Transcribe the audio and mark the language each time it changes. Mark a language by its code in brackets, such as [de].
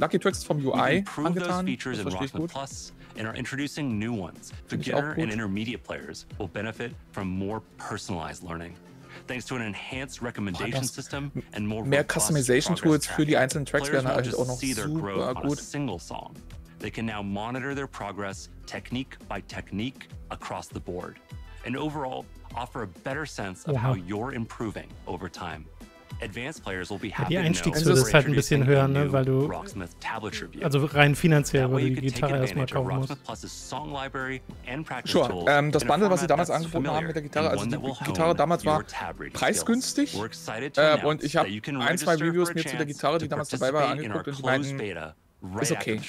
[de] Lucky Tricks vom UI angetan, das verstehe ich gut. [en] And are introducing new ones. Beginner and intermediate players will benefit from more personalized learning. Thanks to an enhanced recommendation system and more [de] mehr customization tools für die einzelnen Tracks werden halt auch noch super gut. [en] They can now monitor their progress technique by technique across the board and overall offer a better sense of how you're improving over time. Advanced players will be happy. [de] Die Einstiegshürde ist halt ein bisschen höher, ne, weil du, also rein finanziell, weil du die Gitarre erstmal kaufen musst. Sure, das Bundle, was sie damals angeboten haben mit der Gitarre, also die Gitarre damals war preisgünstig und ich habe ein, zwei Reviews mir zu der Gitarre, die damals dabei war, angeguckt und meinen, ist okay.